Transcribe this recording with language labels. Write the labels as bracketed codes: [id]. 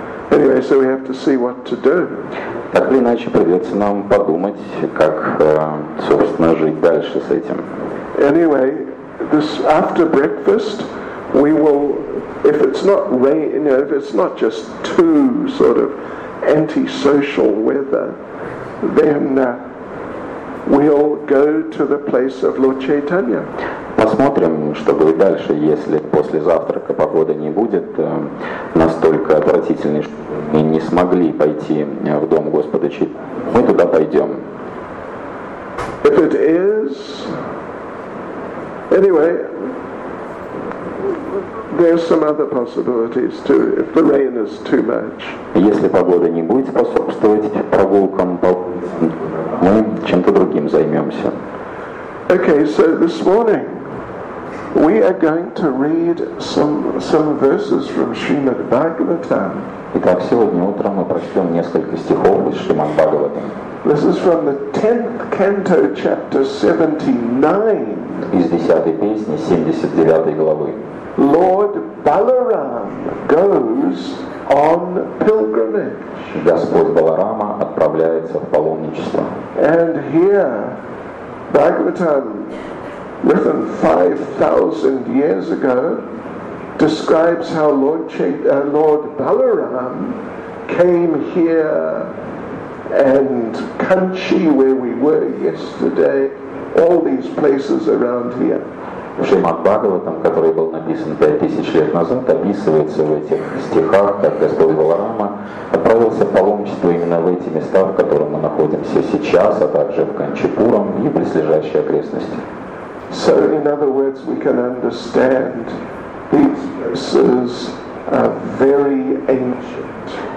[en] Anyway, so we have to see what to do. [ru] Так или иначе, придется нам подумать, как, собственно, жить дальше с этим. [en] Anyway, this after breakfast we will, if it's not rain, you know, if it's not just too sort of anti-social weather, then we'll go to the place of Lord Chaitanya. [ru] Посмотрим, что будет дальше, если после завтрака погода не будет настолько отвратительной, что мы не смогли пойти в дом Господа Чайтаньи. Мы туда пойдем. [en] If it is, anyway, there's some other possibilities too. If the rain is too much, [ru] если погода не будет способствовать прогулкам, мы чем-то другим займемся. [en] Okay, so this morning we are going to read some verses from Srimad Bhagavatam. [ru] Итак, сегодня утром мы прочтем несколько стихов из Шримад Бхагаватам. [en] This is from the 10th canto, chapter 79. [ru] Из 10-й песни, 79-й главы. [en] Lord Balaram goes on pilgrimage. [ru] Господь Баларама отправляется в паломничество. [en] And here, Bhagavatam, written 5,000 years ago, describes how Lord Balaram came here and Kanchi, where we were yesterday, all these places around here. [ru] Шримад Бхагаватам, который был написан 5000 лет назад, описывается в этих стихах, как Господь Баларама отправился в паломничество именно в эти места, в которых мы находимся сейчас, а также в Канчипурам и близлежащие окрестности. [en] So, in other words, we can understand this is a very ancient.